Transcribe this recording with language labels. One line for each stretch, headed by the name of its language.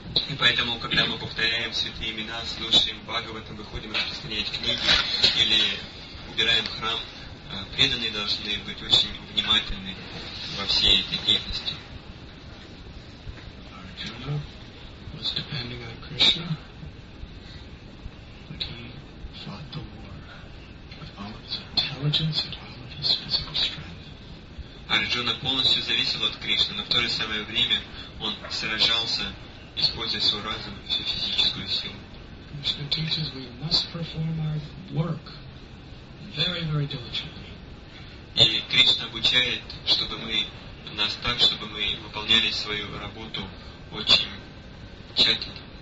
Russian: И поэтому, когда мы повторяем святые имена, слушаем Бхагаватам, выходим распространять книги или убираем храм, преданные должны быть очень внимательны во всей этой деятельности.
English: Arjuna was depending on Krishna, but he fought the war with all of his intelligence and all of his physical strength.
Russian: Arjuna полностью зависел от Кришны, но в то же самое время он сражался, используя свой разум и всю физическую силу.
English: Krishna teaches we must perform our work very, very diligently.
Russian: И Кришна обучает, чтобы мы нас так, чтобы мы выполняли свою работу очень тщательно.